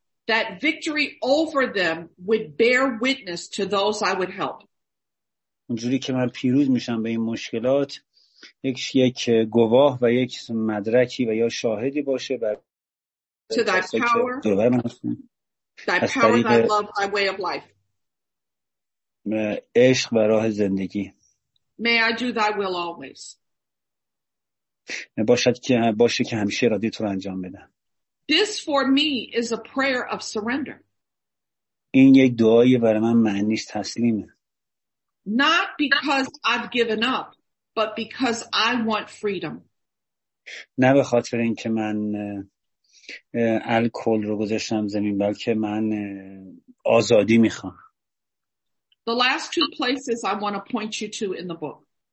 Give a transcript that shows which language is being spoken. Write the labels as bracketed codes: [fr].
[en] That victory over them would bear witness to those I would help. [fa] اونجوری که من پیروز میشم به این مشکلات یک گواه و یک مدرکی و یا شاهدی باشه بر [en] to thy power, [fa] که دوباره من هستم. [en] Thy power, thy love, thy way of life. [fa] عشق و راه زندگی. [en] May I do thy will always. [fa] باشه که همیشه ارادی تو رو انجام بدم. [en] This for me is a prayer of surrender. [fa] این یک دعای برای من معنیش تسلیمه. [en] Not because I've given up. But because I want freedom. [fa] نه به خاطر اینکه من الکل رو گذاشتم زمین، بلکه من آزادی میخوام. [en] The last two places I want to point you to in the book.